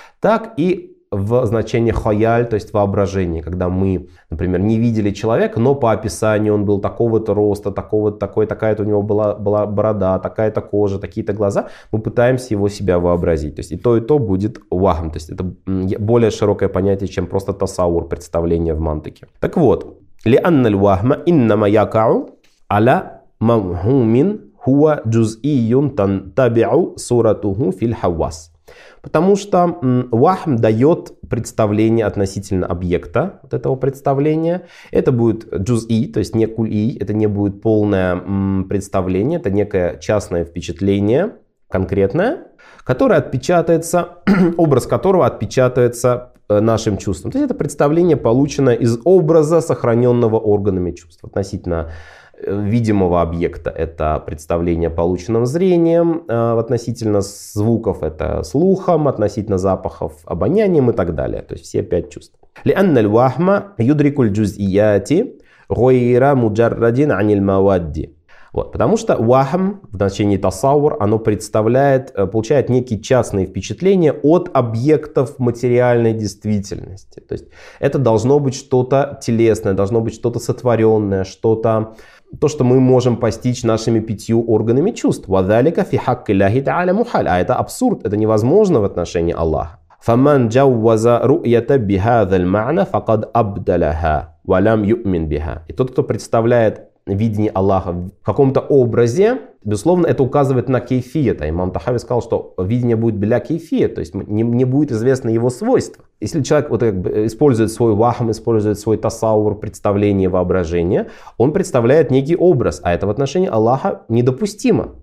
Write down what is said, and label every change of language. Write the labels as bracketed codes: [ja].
[ru] Так и в значении хаяль, то есть воображение, когда мы, например, не видели человека, но по описанию он был такого-то роста, такого-то, такой, такая-то у него была борода, такая-то кожа, такие-то глаза, мы пытаемся его себя вообразить. То есть и то будет вахм. То есть это более широкое понятие, чем просто тасаввур, представление в мантыке. Так вот. [ar] لأن الوهم إنما يقع على موهوم هو جزئي تنتبع صورته في الحواس. [ru] Потому что вахм дает представление относительно объекта, вот этого представления. Это будет джуз-и, то есть не куль-и, это не будет полное представление, это некое частное впечатление, конкретное, которое отпечатается, образ которого отпечатается нашим чувством. То есть это представление получено из образа, сохраненного органами чувств. Относительно видимого объекта это представление, полученное зрением, относительно звуков это слухом, относительно запахов обонянием и так далее. То есть все пять чувств. [ar] لأن الوهم يدرك الجزئيات غير مجرد عن المواد. [ru] Вот, потому что вахм, в значении тасаввур, оно представляет, получает некие частные впечатления от объектов материальной действительности. То есть это должно быть что-то телесное, должно быть что-то сотворенное, что-то, то, что мы можем постичь нашими пятью органами чувств. [ar] وَذَلِكَ فِي حَقِّ اللَّهِ تَعَالَى مُحَالٍ. [ru] А это абсурд, это невозможно в отношении Аллаха. [ar] فَمَنْ جَوَّزَ رُؤْيَةَ بِهَذَا الْمَعْنَ فَقَدْ أَبْدَلَهَا وَلَمْ يُؤْمِنْ بِهَا. [ru] И тот, кто представляет видение Аллаха в каком-то образе, Безусловно, это указывает на кейфиет. А имам Тахави сказал, что видение будет беля кейфиет, то есть не будет известно его свойства. Если человек вот как бы использует свой вахм, использует свой тасаур, представление, воображение, он представляет некий образ, а это в отношении Аллаха недопустимо.